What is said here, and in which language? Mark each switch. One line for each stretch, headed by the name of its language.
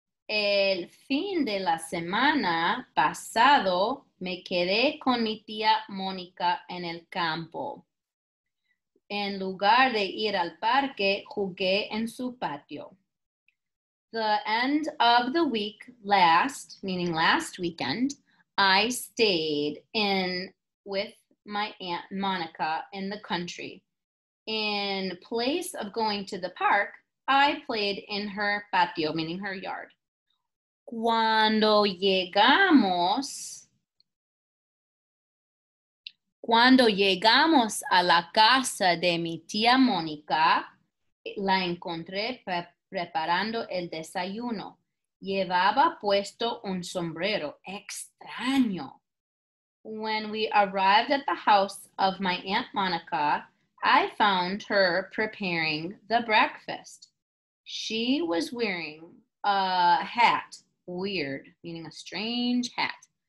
Spanish: El fin de la semana pasado, me quedé con mi tía Mónica en el campo. En lugar de ir al parque, jugué en su patio.
English: The end of the week last, meaning last weekend, I stayed in with my Aunt Monica in the country. In place of going to the park, I played in her patio, meaning her yard.
Spanish: Cuando llegamos a la casa de mi tía Mónica, la encontré preparando el desayuno. Llevaba puesto un sombrero. Extraño.
English: When we arrived at the house of my Aunt Monica, I found her preparing the breakfast. She was wearing a hat. Weird, meaning a strange hat.